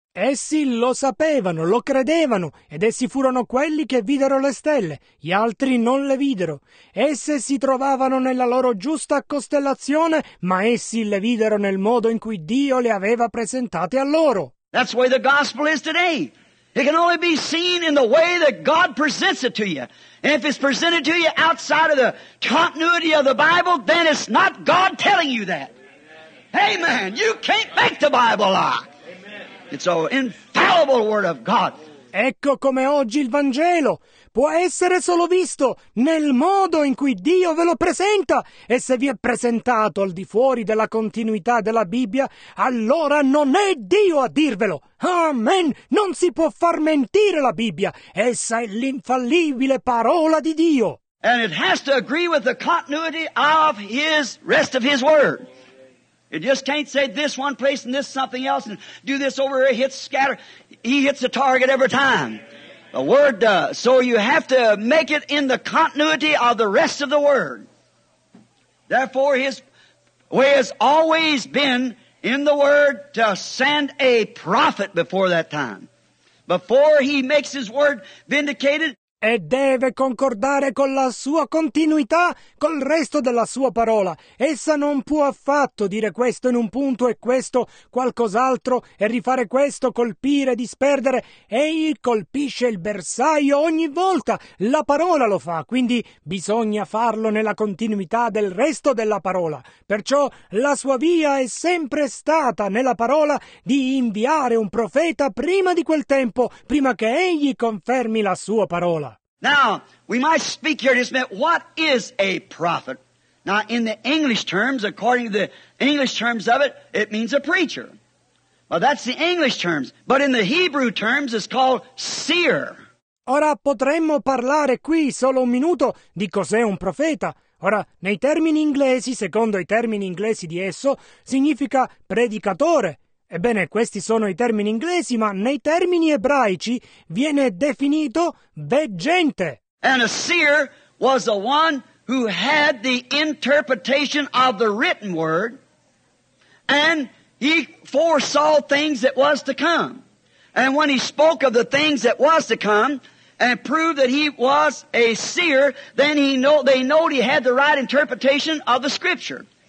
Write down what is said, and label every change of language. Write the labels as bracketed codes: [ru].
[it] Essi lo sapevano, lo credevano, ed essi furono quelli che videro le stelle, gli altri non le videro. Esse si trovavano nella loro giusta costellazione, ma essi le videro nel modo in cui Dio le aveva presentate a loro. [en] That's where the gospel is today. It can only be seen in the way that God presents it to you. And if it's presented to you outside of the continuity of the Bible, then it's not God telling you that. Amen. You can't make the Bible lie. It's an infallible word of God. [it] Ecco come oggi il Vangelo può essere solo visto nel modo in cui Dio ve lo presenta. E se vi è presentato al di fuori della continuità della Bibbia, allora non è Dio a dirvelo. Amen. Non si può far mentire la Bibbia. Essa è l'infallibile parola di Dio. [en] And it has to agree with the continuity of his rest of his word. It just can't say this one place and this something else and do this over here, hit scatter. He hits the target every time. The Word does. So you have to make it in the continuity of the rest of the Word. Therefore, his way has always been in the Word to send a prophet before that time. Before he makes his Word vindicated. [it] E deve concordare con la sua continuità, col resto della sua parola. Essa non può affatto dire questo in un punto e questo qualcos'altro e rifare questo, colpire, disperdere. Egli colpisce il bersaglio ogni volta. La parola lo fa, quindi bisogna farlo nella continuità del resto della parola. Perciò la sua via è sempre stata nella parola di inviare un profeta prima di quel tempo, prima che egli confermi la sua parola. [en] Now, we might speak here just a minute, what is a prophet? Now, in the English terms, according to the English terms of it, it means a preacher. Well, that's the English terms, but in the Hebrew terms, it's called seer. [it] Ora, potremmo parlare qui solo un minuto di cos'è un profeta. Ora, nei termini inglesi, secondo i termini inglesi di esso, significa predicatore. Ebbene, questi sono i termini inglesi, ma nei termini ebraici viene definito veggente. [en] And a seer was the one who had the interpretation of the written word, and he foresaw things that was to come. And when he spoke of the things that was to come and proved that he was a seer, then they know he had the right interpretation of the scripture.